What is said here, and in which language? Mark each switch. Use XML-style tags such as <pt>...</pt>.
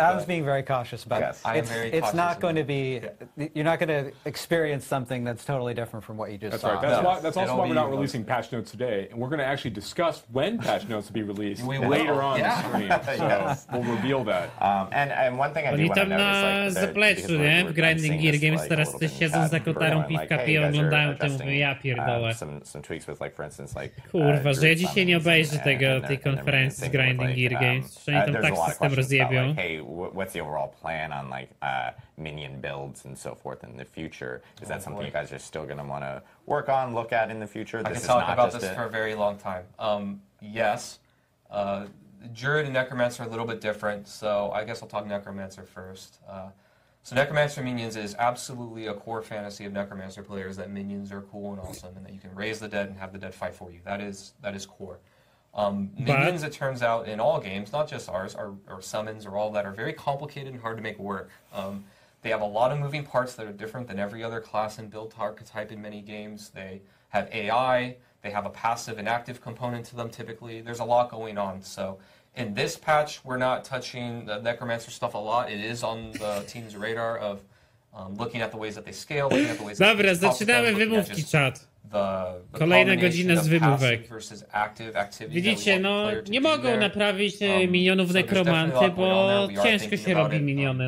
<en>Adam's being very cautious, but yes. It's not going to be... Yeah. You're not going to experience something that's totally different from what you just that's saw. Right. That's right, no. That's also why we're not releasing patch notes today, and we're going to actually discuss when patch notes will be released later on the stream. We'll reveal that. And one thing I do want to notice, like,</en> <pl>the grinding gear games, teraz też siedzą za kotarą piwka, piją, oglądają, to mówię, ja pierdolę.</pl> <en>Some tweaks with, like, for instance, like,</en> <pl>kurwa, że ja dzisiaj nie obejrzę tego, tej konferencji z grinding gear games, że oni tam tak system rozjebią.</pl> <en>Hey, what's the overall plan on, like, minion builds and so forth in the future? Is that something you guys are still going to want to work on, look at in the future? I can talk about this for a very long time. Yes. Druid and Necromancer are a little bit different, so I guess I'll talk Necromancer first. So Necromancer Minions is absolutely a core fantasy of Necromancer players, that minions are cool and awesome, and that you can raise the dead and have the dead fight for you. That is core. Minions, it turns out, in all games, not just ours, or summons or all that, are very complicated and hard to make work. They have a lot of moving parts that are different than every other class and build archetype in many games. They have AI. They have a passive and active component to them, typically. There's a lot going on. So in this patch, we're not touching the Necromancer stuff a lot. It is on the team's radar of looking at the ways that they scale, looking at the ways</en> <pl>dobra,</pl> <en>that they</en> <pl>zaczynamy wymówki, chat.</pl> <en>The</en> <pl>kolejna godzina z wymówek. Widzicie, no nie mogą naprawić minionów nekromanty, bo ciężko się robi miniony.</pl>